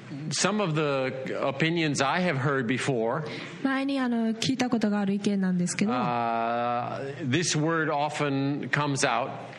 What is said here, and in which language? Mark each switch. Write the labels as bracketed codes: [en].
[en] Some of the opinions I have heard before. [ja] 前に聞いたことがある意見なんですけど。 [en] This word often comes out.